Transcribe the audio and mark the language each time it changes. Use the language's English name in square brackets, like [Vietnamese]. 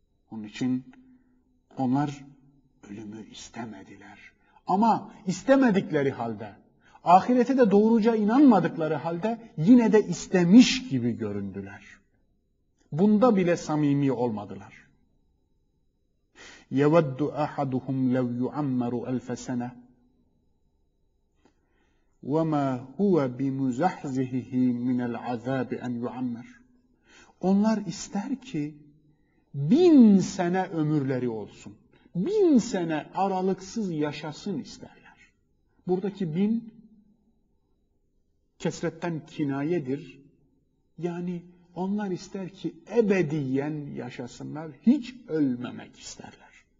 [Turkish] Onun için onlar ölümü istemediler. Ama istemedikleri halde, ahirete de doğruca inanmadıkları halde yine de istemiş gibi göründüler. Bunda bile samimi olmadılar. [Arabic] يود أحدهم لو يعمر ألف سنة؟ وما هو بمزحزهه من العذاب أن يعمر؟ [Turkish] Onlar ister ki bin sene ömürleri olsun. Bin sene aralıksız yaşasın isterler. Buradaki bin kesretten kinayedir. Yani onlar ister ki ebediyen yaşasınlar, hiç ölmemek isterler.